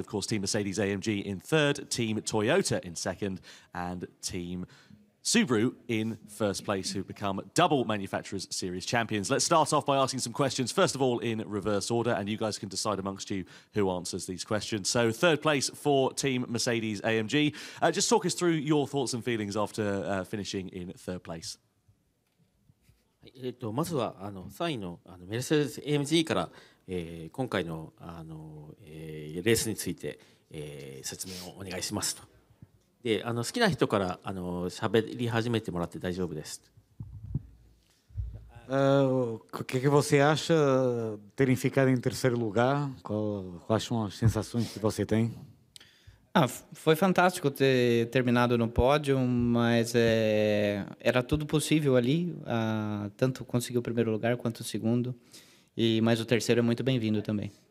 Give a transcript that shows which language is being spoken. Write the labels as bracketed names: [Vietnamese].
[English] Of course, Team Mercedes-AMG in third, Team Toyota in second, and Team Subaru in first place, who've become double Manufacturers Series champions. Let's start off by asking some questions, first of all in reverse order, and you guys can decide amongst you who answers these questions. So third place for Team Mercedes-AMG. Just talk us through your thoughts and feelings after finishing in third place. [Japanese] まずは3位のメルセデス AMG から今回のレースについて説明をお願いしますと。で、好きな人から喋り始めてもらって大丈夫です。 [Portuguese] Que que você acha terem ficado em terceiro lugar? Quais são as sensações que você tem? Ah, foi fantástico ter terminado no pódio, mas era tudo possível ali, tanto conseguir o primeiro lugar quanto o segundo, mas o terceiro é muito bem-vindo também.